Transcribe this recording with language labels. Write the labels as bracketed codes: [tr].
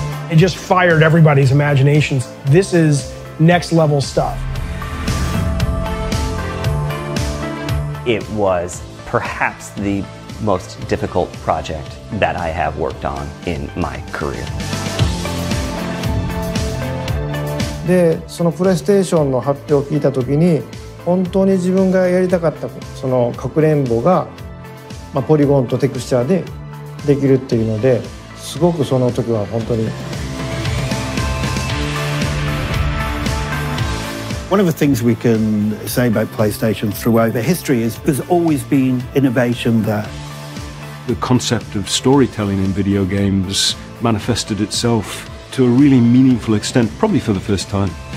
[en] It just fired everybody's imaginations. This is next level stuff. It was perhaps the most difficult project that I have worked on in my career. [ja] で、そのプレイステーションの発表を聞いたときに、本当に自分がやりたかったそのかくれんぼが、まあ、ポリゴンとテクスチャーでできるっていうので、すごくその時は本当に。 [en] One of the things we can say about PlayStation throughout the history is there's always been innovation there. The concept of storytelling in video games manifested itself to a really meaningful extent, probably for the first time.